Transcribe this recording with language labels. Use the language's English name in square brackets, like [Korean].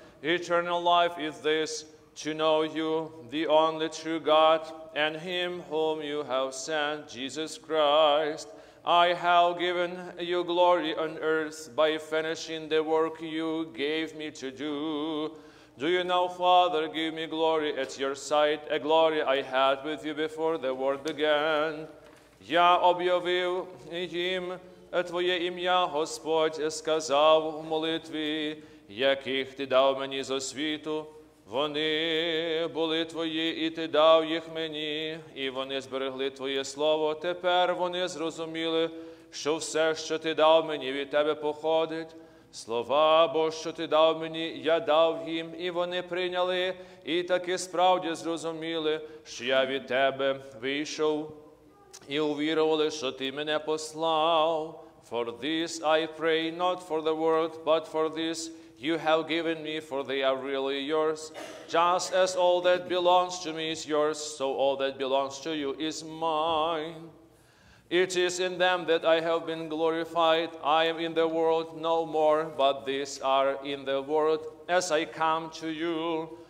[English] Eternal life is this, to know you, the only true God, and him whom you have sent, Jesus Christ. I have given you glory on earth by finishing the work you gave me to do. Do you now, Father, give me glory at your side, a glory I had with you before the world began? [Ukrainian] Я об'явив їм твоє ім'я, Господь, сказав у молитві, яких ти дав мені зо світу. Вони були твої, і ти дав їх мені, і вони зберегли твоє слово. Тепер вони зрозуміли, що все, що ти дав мені, від тебе походить. Слова, бо що ти дав мені, я дав їм, і вони прийняли, і таки справді зрозуміли, що я від тебе вийшов, і увірували, що ти мене послав. [English] For this I pray, not for the world, but for this you have given me, for they are really yours. Just as all that belongs to me is yours, so all that belongs to you is mine. It is in them that I have been glorified. I am in the world no more, but these are in the world as I come to you.